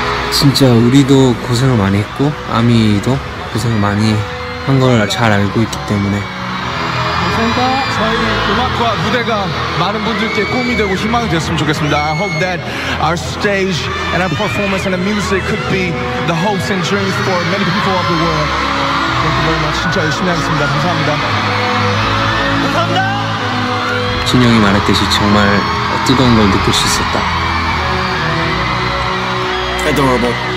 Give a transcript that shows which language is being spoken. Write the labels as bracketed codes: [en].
[ko] 진짜 우리도 고생을 많이 했고 아미도 고생을 많이 한 걸 잘 알고 있기 때문에 고생과 저희 음악과 무대가 많은 분들께 꿈이 되고 희망이 됐으면 좋겠습니다. [en] I hope that our stage and our performance and the music could be the hopes and dreams for many people of the world. Thank you very much. [ko] 진짜 열심히 하겠습니다. 감사합니다. 감사합니다. 진영이 말했듯이 정말 뜨거운 걸 느낄 수 있었다. [en] Adorable.